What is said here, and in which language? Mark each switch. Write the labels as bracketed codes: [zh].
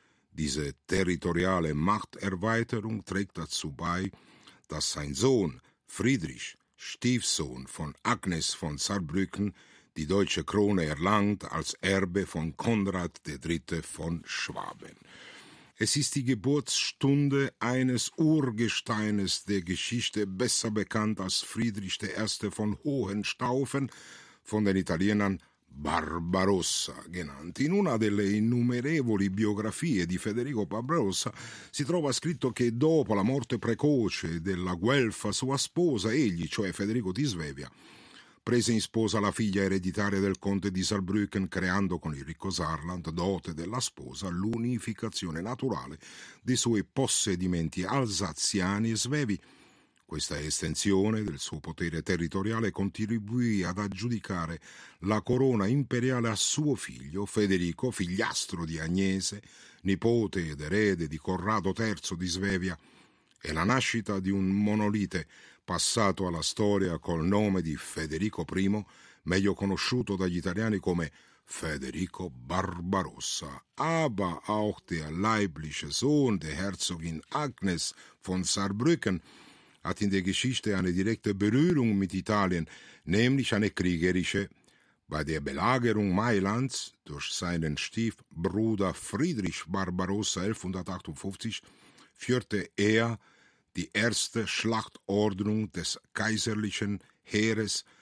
[de] Diese territoriale Machterweiterung trägt dazu bei, dass sein Sohn Friedrich, Stiefsohn von Agnes von Saarbrücken, die deutsche Krone erlangt als Erbe von Konrad III. Von Schwaben. Es ist die Geburtsstunde eines Urgesteines der Geschichte, besser bekannt als Friedrich I. von Hohenstaufen, von den Italienern Barbarossa genannt. [it] In una delle innumerevoli biografie di Federico Barbarossa si trova scritto che dopo la morte precoce della guelfa sua sposa, egli, cioè Federico di Svevia, prese in sposa la figlia ereditaria del conte di Saarbrücken, creando con il ricco Saarland, dote della sposa, l'unificazione naturale dei suoi possedimenti alsaziani e svevi. Questa estensione del suo potere territoriale contribuì ad aggiudicare la corona imperiale a suo figlio Federico, figliastro di Agnese, nipote ed erede di Corrado III di Svevia, e la nascita di un monolite passato alla storia col nome di Federico I, meglio conosciuto dagli italiani come Federico Barbarossa. [de] Aber auch der leibliche Sohn der Herzogin Agnes von Saarbrücken hat in der Geschichte eine direkte Berührung mit Italien, nämlich eine kriegerische. Bei der Belagerung Mailands durch seinen Stiefbruder Friedrich Barbarossa 1158 führte er die erste Schlachtordnung des kaiserlichen Heeres.